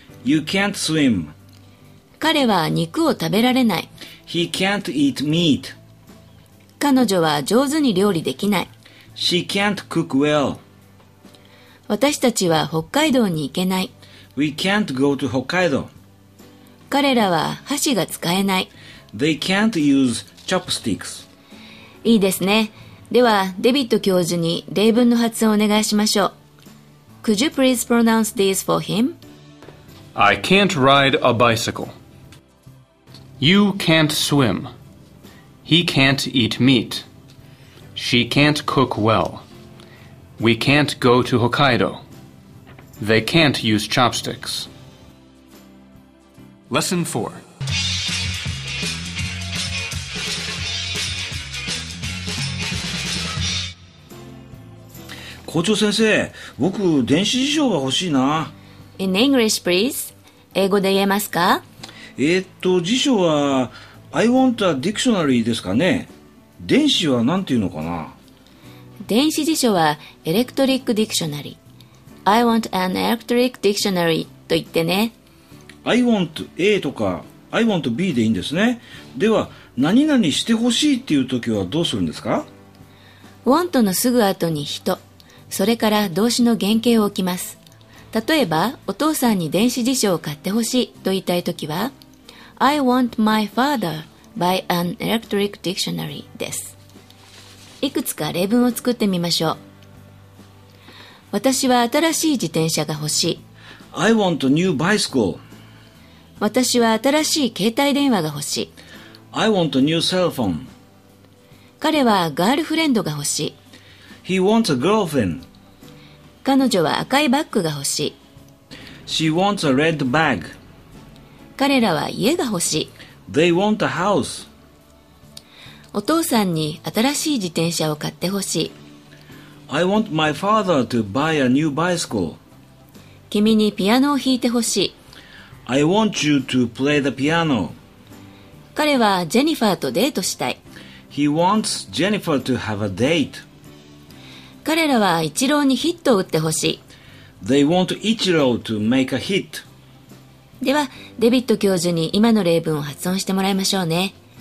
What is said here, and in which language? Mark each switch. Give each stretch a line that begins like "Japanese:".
English: You can't swim。
Japanese: 彼は肉を食べられない。
English: He can't eat meat。
Japanese: 彼女は上手に料理できない。
English: She can't cook well。
Japanese: 私たちは北海道に行けない。
English: We can't go to Hokkaido。
Japanese: 彼らは箸が使えない。
English: They can't use chopsticks。
Japanese: いいですね。ではデビッド教授に例文の発音をお願いしましょう。
English: Could you please pronounce this for him? I can't ride a bicycle. You can't swim. He can't eat meat. She can't cook well. We can't go to Hokkaido. They can't use chopsticks. Lesson 4.
Japanese: 校長先生、僕電子辞書が欲しいな。
English: In English, please.
Japanese: 英語で言えますか？辞書は
English: I want a dictionary
Japanese: ですかね。電子はなんていうのかな？電子辞書は
English: Electric Dictionary。 I want an electric dictionary
Japanese: と言ってね。
English: I want A
Japanese: とか
English: I want B
Japanese: でいいんですね。では何々してほしいっていうときはどうするんですか？ want のすぐ後に人、それから動詞の原形を置きます。例えばお父さんに電子辞書を買ってほしいと言いたいときは
English: I want my father buy an electric dictionary
Japanese: です。いくつか例文を作ってみましょう。私は新しい自転車が欲しい。
English: I want a new bicycle。
Japanese: 私は新しい携帯電話が欲しい。
English: I want a new cell phone。
Japanese: 彼はガールフレンドが欲しい。
English: He wants a girlfriend。
Japanese: 彼女は赤いバッグが欲しい。
English: She wants a red bag。
Japanese: 彼らは家が欲しい。
English: They want a house。
Japanese: お父さんに新しい自転車を買って欲しい。
English: I want my father to buy a new bicycle。
Japanese: 君にピアノを弾いて欲しい。
English: I want you to play the piano。
Japanese: 彼はジェニファーとデートしたい。
English: He wants Jennifer to have a date。
Japanese: 彼らはイチローにヒットを打ってほしい。
English: They want Ichiro to make a hit。
Japanese: ではデビット教授に今の例文を発音してもらいましょうね。